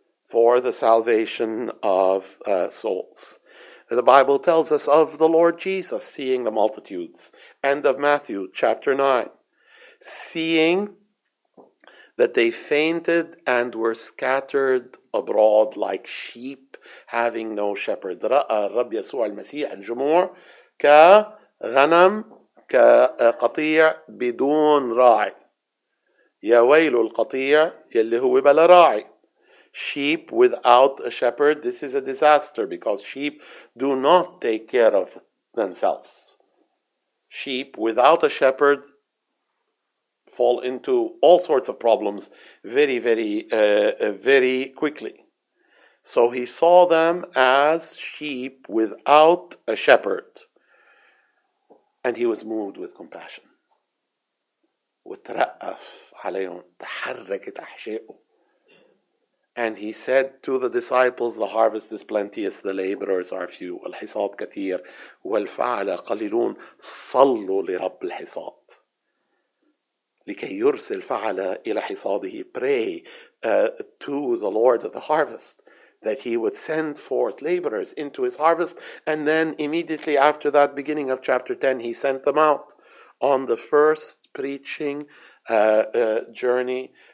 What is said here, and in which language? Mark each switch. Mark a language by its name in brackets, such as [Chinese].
[English] For the salvation of souls. The Bible tells us of the Lord Jesus seeing the multitudes. End of Matthew chapter 9. Seeing that they fainted and were scattered abroad like sheep having no shepherd. [Arabic] رأى الرب يسوع المسيح الجموع كغنم كقطيع بدون راعي. يا ويل القطيع يلي هو بلا راعي. [English] Sheep without a shepherd, this is a disaster because sheep do not take care of themselves. Sheep without a shepherd fall into all sorts of problems very, very, very quickly. So he saw them as sheep without a shepherd. And he was moved with compassion. [Arabic] وترأف عليهم تحركت أحشائه. [English] And he said to the disciples, the harvest is plenteous, the laborers are few. [Arabic] الحصاد كثير والفعل قليلون صلوا لرب الحصاد لكي يرسل فعل إلى حصاده. [English] Pray to the Lord of the harvest that he would send forth laborers into his harvest. And then immediately after that, beginning of chapter 10, he sent them out on the first preaching journey.